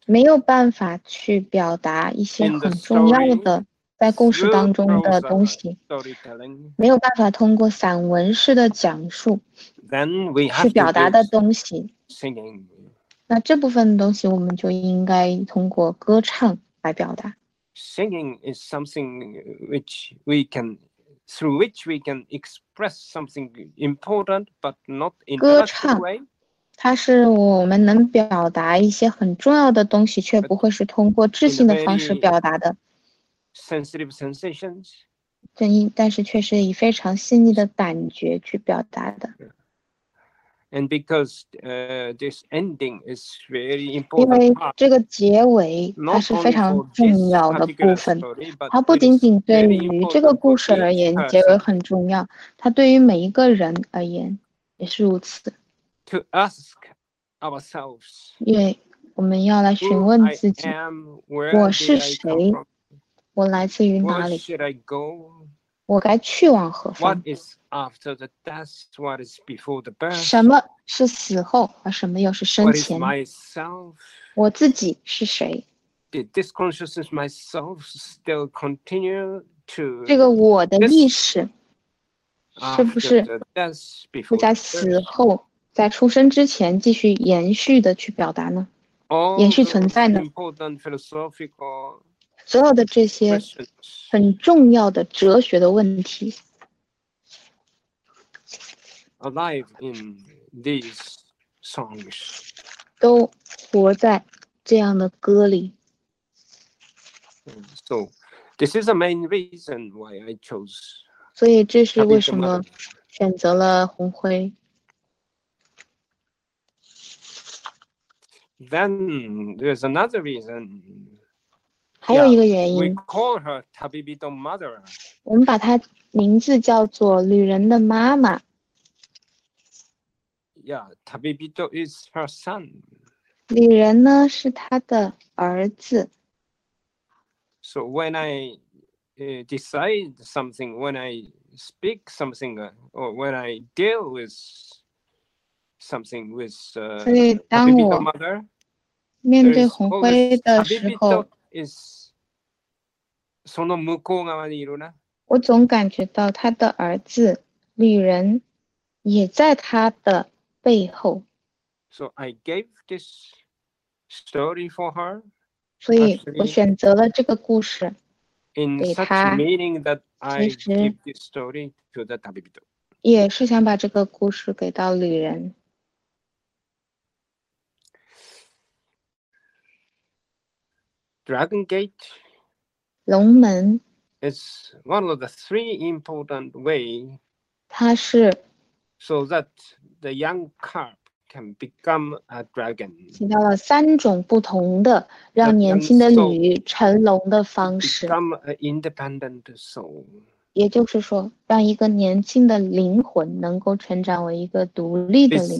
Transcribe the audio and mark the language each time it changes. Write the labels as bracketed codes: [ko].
[zh] 没有办法去表达一些很重要的在故事当中的东西，没有办法通过散文式的讲述去表达的东西，那这部分东西我们就应该通过歌唱来表达。 [en] Singing is something which we can, through which we can express something important, but not in a touch way. [zh] 它是我们能表达一些很重要的东西，却不会是通过知性的方式表达的。 [en] Sensitive sensations. [zh] 对，但是却是以非常细腻的感觉去表达的。 [en] And because this ending is very important part, [zh] 因为这个结尾它是非常重要的部分，它不仅仅对于这个故事而言结尾很重要，它对于每一个人而言也是如此。 [en] To ask ourselves, [zh] 因为我们要来询问自己，我是谁，我来自于哪里，我该去往何方？ [en] After the death, what is before the birth? [zh] 什么是死后，而什么又是生前？ [en] What is myself? [zh] 我自己是谁？ [en] Did this consciousness myself still continue to? [zh] 这个我的意识，是不是会在死后，在出生之前继续延续的去表达呢？延续存在呢？ [en] Important philosophical. [zh] 所有的这些很重要的哲学的问题。 [en] Alive in these songs, [zh] 都活在这样的歌里。 [en] So, this is the main reason why I chose. [zh] 所以这是为什么选择了红辉。 [en] Then there's another reason. [zh] 还有一个原因。 [en] We call her Tabibito Mother. [zh] 我们把她名字叫做旅人的妈妈。 [en] Yeah, Tabibito is her son. [zh] 旅人呢是他的儿子。 [en] So when I decide something, when I speak something, or when I deal with something with Tabibito mother, [zh] 面对红辉的时候， [en] is [ja] その向こう側にいるな。 [zh] 我总感觉到他的儿子旅人也在他的。背后 [en] ，So I gave this story for her. [zh] 所以我选择了这个故事给她。 [en] In such meaning that I give this story to the Tabibito. [zh] 也是想把这个故事给到旅人。 [en] Dragon Gate. [zh] 龙门。 [en] It's one of the three important way. [zh] 它是。 [en] So that the young carp can become a dragon. [zh] 提到了三种不同的让年轻的鲤鱼成龙的方式。 [en] Become an independent soul. [zh] 也就是说，让一个年轻的灵魂能够成长为一个独立的灵魂。